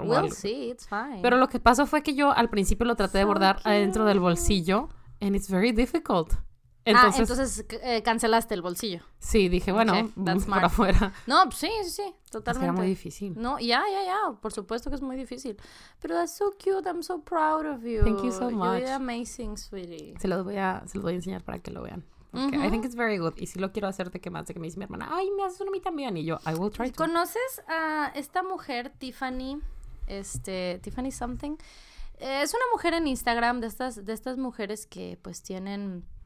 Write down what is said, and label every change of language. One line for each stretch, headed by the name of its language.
English: We'll see, it's fine.
Spanish: Pero lo que pasó fue que yo al principio lo traté de bordar adentro del bolsillo.
English: And it's very difficult.
Spanish: Entonces cancelaste el bolsillo. Sí, dije, bueno, okay, por afuera. No, sí, totalmente. Era muy difícil. No, ya, por supuesto que es muy difícil. Pero
English: that's so cute, I'm so proud of you. Thank you so much. You're amazing, sweetie.
Spanish: Se los voy a enseñar para que lo vean. Okay. Uh-huh.
English: I think it's very good.
Spanish: Y si lo quiero hacer, te quemaste, que me dice mi hermana, ay, me haces uno a mí también. Y yo,
English: I will try to.
Spanish: ¿Conoces a esta mujer, Tiffany? Tiffany something. Es una mujer en Instagram, de estas mujeres que pues tienen...